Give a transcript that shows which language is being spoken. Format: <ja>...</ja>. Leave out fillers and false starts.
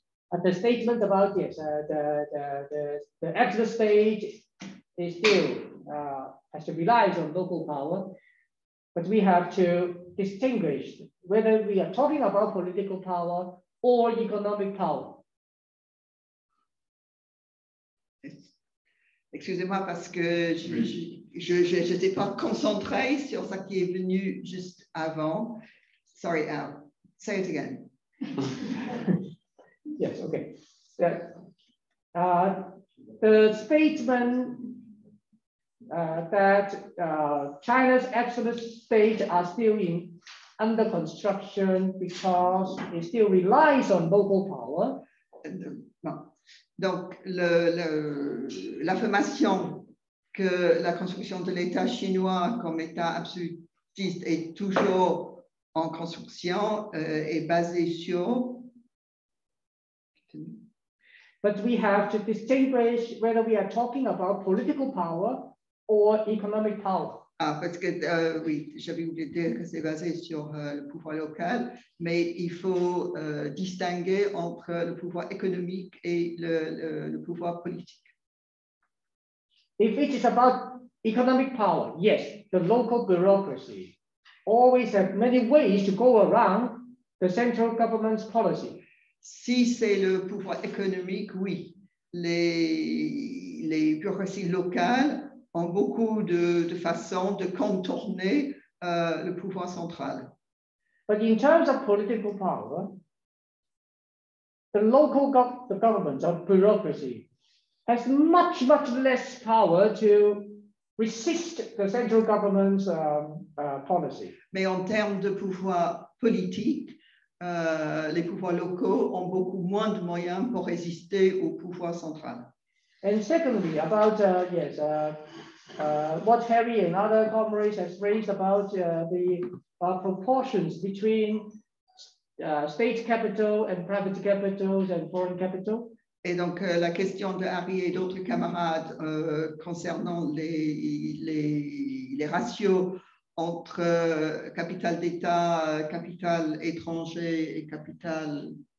<en>At the statement about yes, the exit stage is still has to rely on local power, but we have to distinguish whether we are talking about political power or economic power.</en> <fr>Excusez-moi parce que je n'étais pas concentré sur ce qui est venu juste avant.</fr> <en>Sorry, Al. Say it again. Yes, okay. The statement that China's absolute state are still in under construction because it still relies on local power.</en> <fr>Donc, l'affirmation que la construction de l'État chinois comme État absolutiste est toujours en construction est basée sur.</fr> <en>But we have to distinguish whether we are talking about political power or economic power.</en> <fr>Ah, parce que oui, j'avais oublié de dire que c'est basé sur le pouvoir local, mais il faut distinguer entre le pouvoir économique et le pouvoir politique.</fr> <en>If it is about economic power, yes, the local bureaucracy always have many ways to go around the central government's policy.</en> <fr>Si c'est le pouvoir économique, oui, les bureaucraties locales ont beaucoup de façons de contourner le pouvoir central.</fr> <en>But in terms of political power, the local the government or bureaucracy has much, much less power to resist the central government's policy.</en> <fr>Mais en termes de pouvoir politique, les pouvoirs locaux ont beaucoup moins de moyens pour résister au pouvoir central.</fr> <en>And secondly, about, yes, what Harry and other comrades has raised about the proportions between state capital and private capitals and foreign capital.</en> <fr>Et donc la question de Harry et d'autres camarades concernant les ratios entre capital d'État, capital étranger et capital.</fr>